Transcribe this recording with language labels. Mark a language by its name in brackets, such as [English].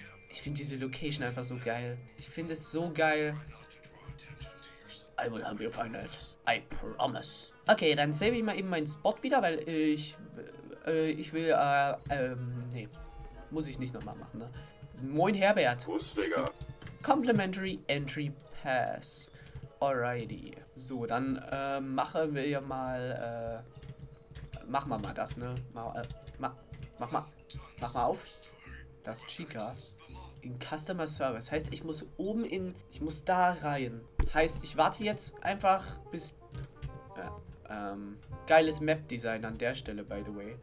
[German] Ich finde diese Location einfach so geil. Ich finde es so geil. [English] I will have you find it. I promise. [German] Okay, dann save ich mal eben meinen Spot wieder, weil ich... ich will, nee. Muss ich nicht nochmal machen, ne? Moin, Herbert. Kuss, Digga. [English] Complimentary Entry Pass. Alrighty. [German] So, dann machen wir ja mal, machen wir mal das, ne? Mach mal auf. Das Chica in Customer Service. Heißt, ich muss oben in, ich muss da rein. Heißt, ich warte jetzt einfach bis, geiles Map-Design an der Stelle, [English] by the way.